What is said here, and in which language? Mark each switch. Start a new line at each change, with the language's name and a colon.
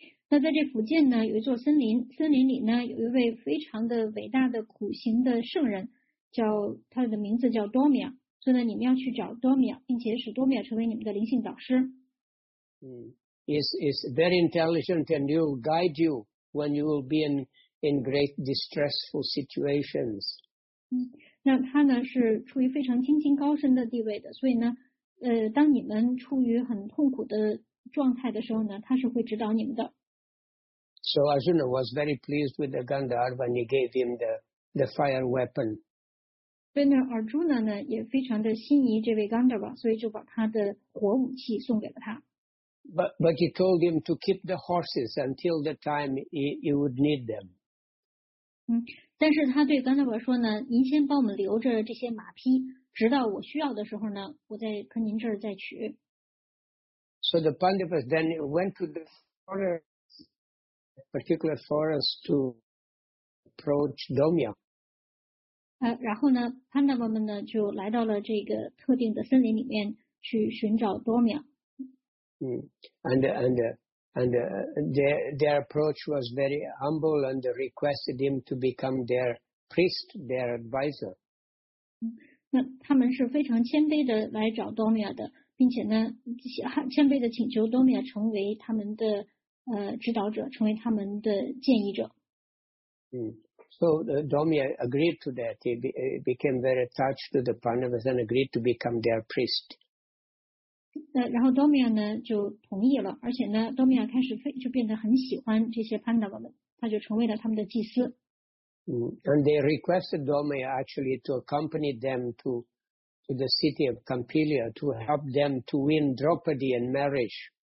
Chinese: 那在这福建呢，有一座森林，森林里呢有一位非常的伟大的苦行的圣人，叫他的名字叫多米尔。所以呢，你们要去找多米尔，并且使多米尔成为你们的灵性导师。嗯。
English: Is very intelligent and will guide you when you will be in great distressful situations.
Chinese: 那他呢是处于非常精进高深的地位的，所以呢，当你们处于很痛苦的状态的时候呢，他是会指导你们的。
English: So Arjuna was very pleased with the Gandharva when he gave him the fire weapon.
Chinese: 所以呢，Arjuna呢也非常的心仪这位 Gandharva， 所以就把他的火武器送给了他。
English: But he told him to keep the horses until the time he would need them.
Chinese: 但是他对甘德瓦说呢，您先帮我们留着这些马匹，直到我需要的时候呢，我再跟您这儿再取。
English: So the Pandavas then went to the forest, a particular forest, to approach Domya.
Chinese: 然后呢，潘达瓦们呢就来到了这个特定的森林里面去寻找多米尔。
English: Their approach was very humble and requested him to become their priest, their advisor.
Chinese: 那他们是非常谦卑的来找多米尔的，并且呢，谦卑的请求多米尔成为他们的指导者，成为他们的建议者。
English: So Domya agreed to that. He became very attached to the Pandavas and agreed to become their priest.
Chinese: 然后 Domya 呢就同意了，而且呢 ，Domya 开始就变得很喜欢这些 Pandava 们，他就成为了他们的祭司。
English: And they requested Domya actually to accompany them to the city of Kampilya to help them to win Draupadi in marriage.